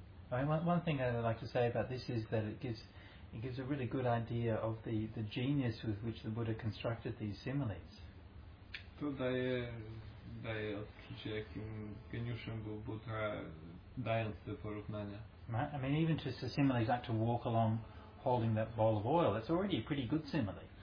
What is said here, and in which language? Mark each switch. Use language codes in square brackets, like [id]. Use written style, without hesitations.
[en] I mean, one thing I'd like to say about this is that it gives a really good idea of the genius with which the Buddha constructed these similes. [pl] To daje odczucie, jakim geniuszem był Buddha, dając te porównania. [en] I mean, even just a simile is like to walk along holding that bowl of oil. That's already a pretty good simile.